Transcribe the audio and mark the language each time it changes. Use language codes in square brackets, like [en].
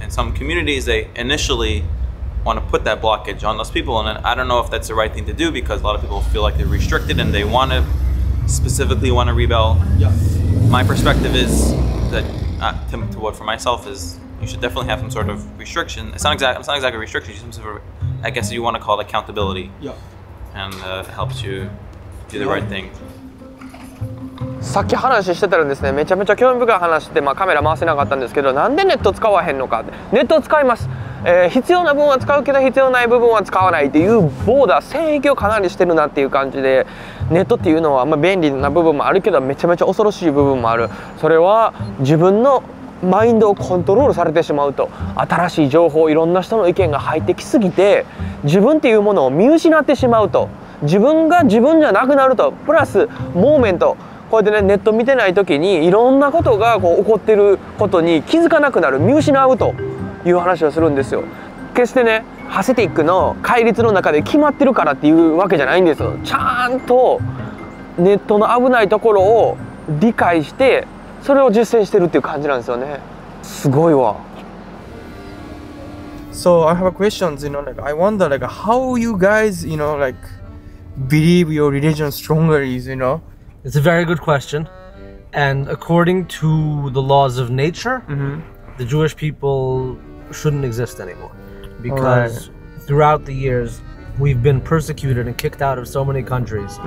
[en] And some communities, they initially want to put that blockage on those people, and I don't know if that's the right thing to do because a lot of people feel like they're restricted and they specifically want to rebel. Yeah. My perspective is that, to what for myself is, you should definitely have some sort of restriction. It's not exactly a restriction, it's some sort of, I guess you want to call it accountability. Yeah. And it helps you do the right thing. [ja] さっき話してたらですね、めちゃめちゃ興味深い話して、まあ、カメラ回せなかったんですけど、なんでネット使わへんのか。ネット使います、必要な部分は使うけど必要ない部分は使わないっていうボーダー線引きをかなりしてるなっていう感じで、ネットっていうのはあんま便利な部分もあるけどめちゃめちゃ恐ろしい部分もある。それは自分のマインドをコントロールされてしまうと、新しい情報、いろんな人の意見が入ってきすぎて自分っていうものを見失ってしまうと、自分が自分じゃなくなると、プラスモーメント、こうやってね、ネット見てない時にいろんなことがこう起こってることに気づかなくなる、見失うという話をするんですよ。決してね、ハシディックの戒律の中で決まってるからっていうわけじゃないんですよ。ちゃんとネットの危ないところを理解してそれを実践してるっていう感じなんですよね。すごいわ。 [en] So I have a question, you know, like I wonder like how you guys, you know, like believe your religion strongly, you know? It's a very good question. And according to the laws of nature, mm-hmm. the Jewish people shouldn't exist anymore. Because throughout the years, we've been persecuted and kicked out of so many countries.